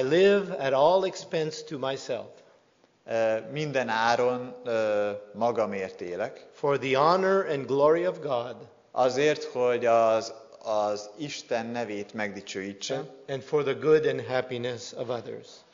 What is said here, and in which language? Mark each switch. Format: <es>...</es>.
<en>I live at all expense to myself.</en> <hu>Minden áron magamért élek.</hu> <en>For the honor and glory of God.</en> <hu>Azért, hogy az Isten nevét megdicsőítse.</hu> <en>And for the good and happiness of others.</en>